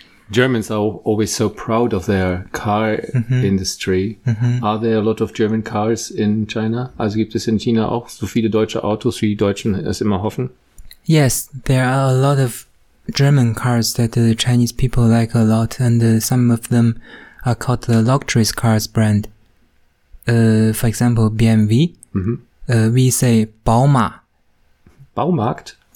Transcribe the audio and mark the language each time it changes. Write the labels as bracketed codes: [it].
[en] Germans are always so proud of their car industry. Mm-hmm. Are there a lot of German cars in China? [de] Also gibt es in China auch so viele deutsche Autos, wie die Deutschen es immer hoffen? [en] Yes, there are a lot of German cars that the Chinese people like a lot. And some of them are called the luxury cars brand. For example, BMW. Mm-hmm. We say Bauma. [de] Baumarkt?